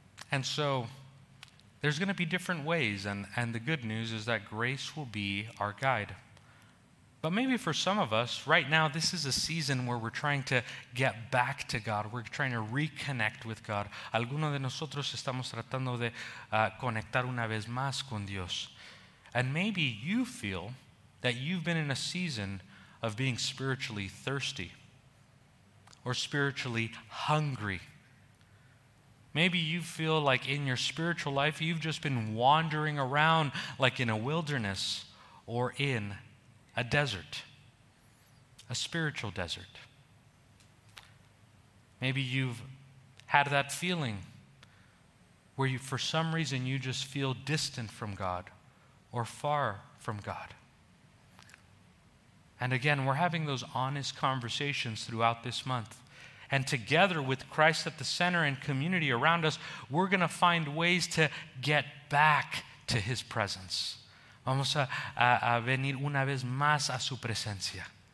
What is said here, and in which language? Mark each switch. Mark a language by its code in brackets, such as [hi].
[en] And so there's going to be different ways. And the good news is that grace will be our guide. But maybe for some of us, right now, this is a season where we're trying to get back to God. We're trying to reconnect with God. [es] Algunos de nosotros estamos tratando de conectar una vez más con Dios. [en] And maybe you feel that you've been in a season of being spiritually thirsty or spiritually hungry. Maybe you feel like in your spiritual life, you've just been wandering around like in a wilderness or in a desert, a spiritual desert. Maybe you've had that feeling where you, for some reason, you just feel distant from God or far from God. And again, we're having those honest conversations throughout this month. And together with Christ at the center and community around us, we're going to find ways to get back to His presence. [es] Vamos a venir una vez más a su presencia.